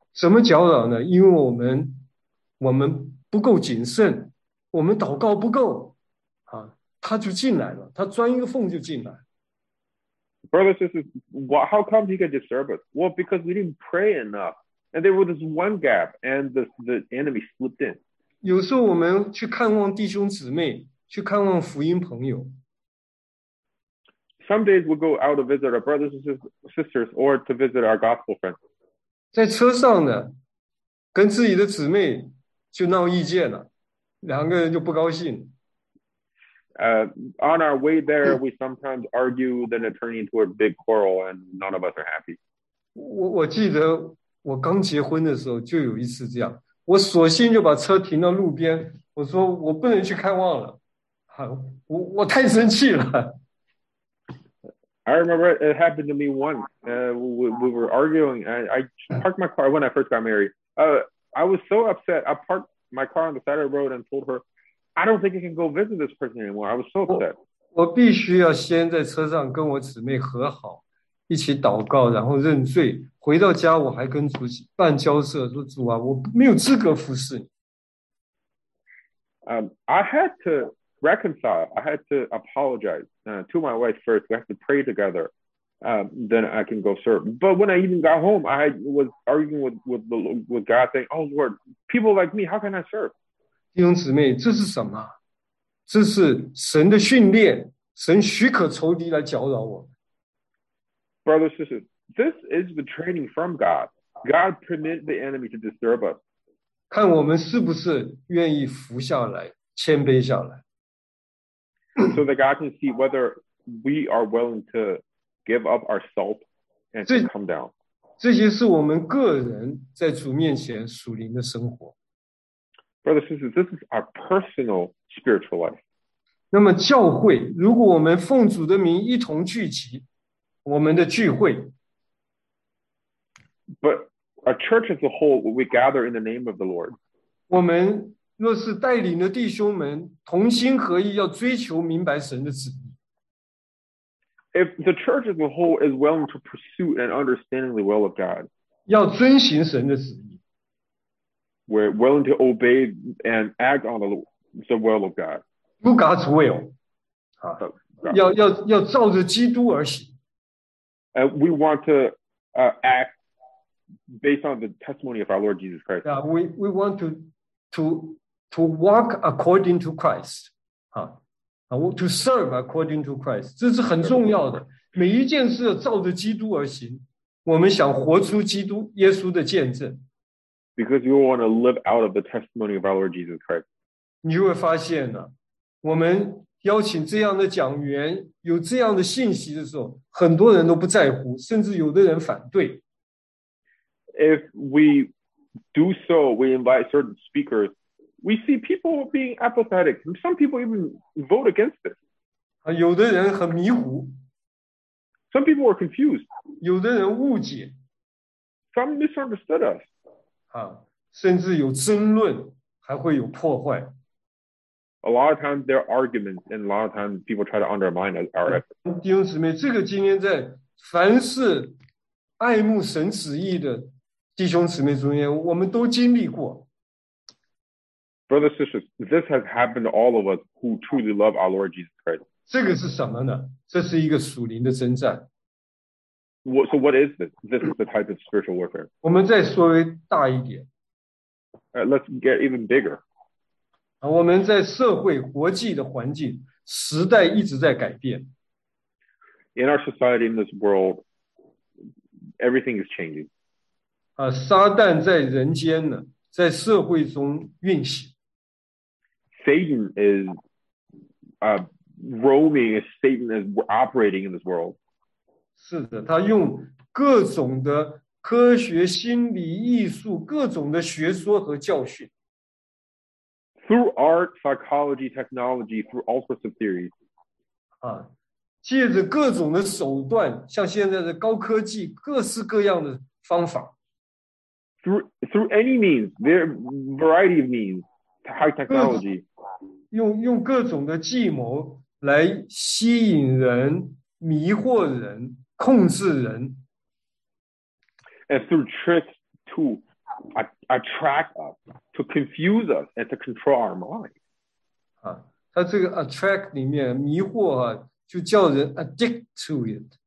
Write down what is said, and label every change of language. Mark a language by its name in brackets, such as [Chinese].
[Chinese] 什么搅扰呢？因为我们不够谨慎，我们祷告不够啊，他就进来了，他钻一个缝就进来。 [English] Brothers and sisters, how come he could disturb us? Well, because we didn't pray enough. And there was this one gap, and the enemy slipped in. [Chinese] 有时候我们去看望弟兄姊妹，去看望福音朋友。 [English] Some days we go out to visit our brothers and sisters, or to visit our gospel friends. [Chinese] 在车上呢，跟自己的姊妹就闹意见了，两个人就不高兴。 [English] On our way there, we sometimes argue, then it turns into a big quarrel, and none of us are happy. [Chinese] 我记得我刚结婚的时候就有一次这样，我索性就把车停到路边，我说我不能去看望了，我太生气了。 [English] I remember it happened to me once. We were arguing, and I parked my car when I first got married. I was so upset. I parked my car on the side of the road and told her. I don't think I can go visit this person anymore. I was so upset. [Chinese] 我必须要先在车上跟我姊妹和好，一起祷告，然后认罪。回到家，我还跟主办交涉，说主啊，我没有资格服侍你。 [English] I had to reconcile. I had to apologize to my wife first. We have to pray together. Then I can go serve. But when I even got home, I was arguing with God, saying, "Oh Lord, people like me, how can I serve?" [Chinese] 弟兄姊妹，这是什么？这是神的训练，神许可仇敌来搅扰我们。 [English] Brothers and sisters, this is the training from God. God permits the enemy to disturb us. [Chinese] 看我们是不是愿意服下来，谦卑下来。 [English] So that God can see whether we are willing to give up ourselves and to come down. [Chinese] 这些是我们个人在主面前属灵的生活。 [English] Brothers and sisters, this is our personal spiritual life. [Chinese] 那么教会，如果我们奉主的名一同聚集，我们的聚会。 [English] But a church as a whole, we gather in the name of the Lord. [Chinese] 我们若是带领的弟兄们同心合意要追求明白神的旨意。 [English] If the church as a whole is willing to pursue and understanding the will of God, [Chinese] 要遵行神的旨意。 [English] We're willing to obey and act on the will of God. Do God's will. [Chinese] 要照着基督而行。 [English] And we want to act based on the testimony of our Lord Jesus Christ. Yeah, we want to walk according to Christ. To serve according to Christ. [Chinese] 这是很重要的。每一件事照着基督而行。我们想活出基督耶稣的见证。 [English] Because you want to live out of the testimony of our Lord Jesus Christ. [Chinese] 你就会发现呢、啊、我们邀请这样的讲员有这样的信息的时候很多人都不在乎甚至有的人反对。 [English] If we do so, we invite certain speakers, we see people being apathetic. Some people even vote against this. [Chinese] 有的人很迷糊。 [English] Some people are confused. [Chinese] 有的人误解。 [English] Some misunderstood us. [Chinese] 甚至有争论还会有破坏。 [English] A lot of times there are arguments and a lot of times people try to undermine our effort. [Chinese] 弟兄姊妹这个今天在凡是爱慕神旨意的弟兄姊妹中间我们都经历过。 [English] Brothers and sisters, this has happened to all of us who truly love our Lord Jesus Christ. [Chinese] 这个是什么呢这是一个属灵的征战。 [English] So what is this? This is the type of spiritual warfare. [Chinese] 我们再说大一点。 [English] Let's get even bigger. [Chinese] 我们在社会、国际的环境、时代一直在改变。 [English] In our society, in this world, everything is changing. [Chinese] 撒旦在人间呢，在社会中运行。 [English] Satan is roaming, Satan is operating in this world. [Chinese] 是的他用各种的科学心理艺术各种的学说和教训。 [English] Through art, psychology, technology, through all sorts of theories. [Chinese] 借着各种的手段像现在的高科技各式各样的方法。 [English] Through any means, there are variety of means, high technology. [Chinese] 用各种的计谋来吸引人迷惑人。控制人 [English] and through tricks to attract us, to confuse us, and to control our minds. [Chinese] 他这个 attract 里面迷惑啊，就叫人 [English] addict to it.